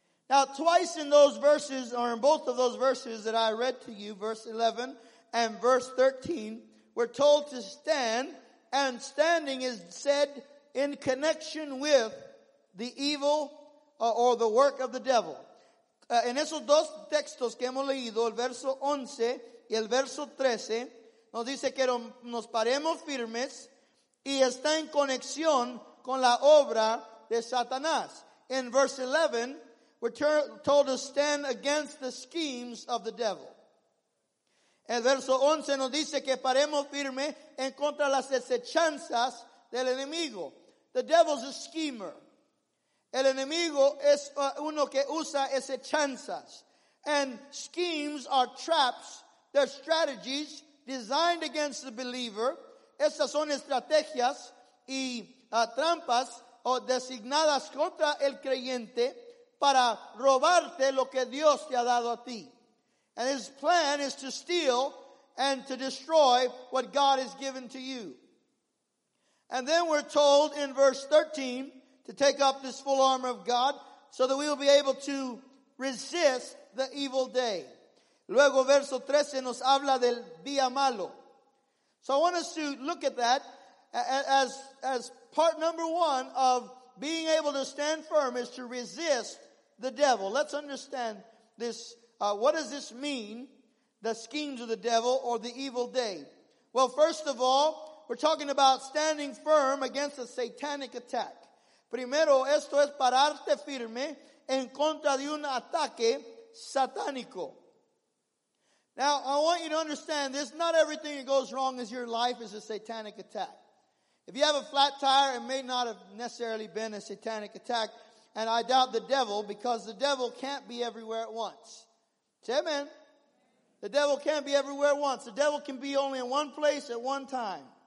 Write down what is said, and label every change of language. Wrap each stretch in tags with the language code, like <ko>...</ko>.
<en>Now twice in those verses, or in both of those verses that I read to you, verse 11 and verse 13, we're told to stand, and standing is said in connection with the evil or the work of the devil.</en> <es>En esos dos textos que hemos leído, el verso 11 y el verso 13, nos dice que nos paremos firmes y está en conexión con la obra de Satanás.</es> <en>In verse 11, we're told to stand against the schemes of the devil.</en> <es>El verso 11 nos dice que paremos firmes en contra las acechanzas del enemigo.</es> <en>The devil's a schemer.</en> <es>El enemigo es uno que usa acechanzas.</es> <en>And schemes are traps. They're strategies designed against the believer.</en> <es>Esas son estrategias y trampas o designadas contra el creyente para robarte lo que Dios te ha dado a ti.</es> <en>And his plan is to steal and to destroy what God has given to you. And then we're told in verse 13 to take up this full armor of God so that we will be able to resist the evil day.</en> <es>Luego verso 13 nos habla del día malo.</es> <en>So I want us to look at that as part number one of being able to stand firm is to resist the devil. Let's understand this. What does this mean, the schemes of the devil or the evil day? Well, first of all, we're talking about standing firm against a satanic attack.</en> <es>Primero, esto es pararte firme en contra de un ataque satánico.</es> <en>Now, I want you to understand this. Not everything that goes wrong in your life is a satanic attack. If you have a flat tire, it may not have necessarily been a satanic attack. And I doubt the devil, because the devil can't be everywhere at once. Say amen. The devil can't be everywhere at once. The devil can be only in one place at one time.</en>